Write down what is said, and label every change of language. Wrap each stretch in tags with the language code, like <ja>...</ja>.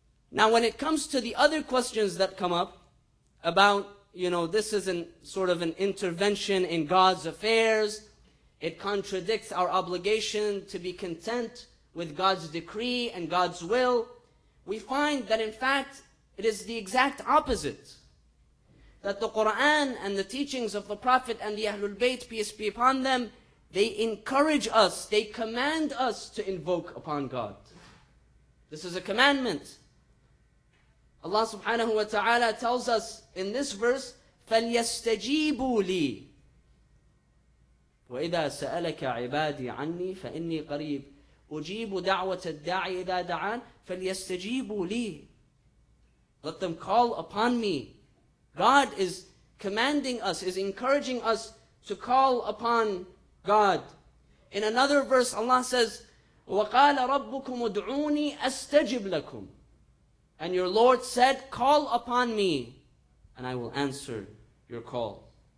<en>Now, when it comes to the other questions that come up about, you know, this is an sort of an intervention in God's affairs, it contradicts our obligation to be content with God's decree and God's will, we find that in fact, it is the exact opposite. That the Quran and the teachings of the Prophet and the Ahlul Bayt, peace be upon them, they encourage us, they command us to invoke upon God. This is a commandment. Allah subhanahu wa ta'ala tells us in this verse,</en> <ar>فَلْيَسْتَجِيبُوا لِي وَإِذَا سَأَلَكَ عِبَادِي عَنِّي فَإِنِّي قَرِيبُ أُجِيبُ دَعْوَةَ الدَّاعِ إِذَا دَعَانَ فَلْيَسْتَجِيبُوا لِي.</ar> <en>Let them call upon me. God is commanding us, is encouraging us to call upon God. In another verse, Allah says,</en> <ar>وَقَالَ رَبُّكُمُ ادْعُونِي أَسْتَجِبْ لَكُمْ.</ar> <en>And your Lord said, call upon me, and I will answer your call.</en>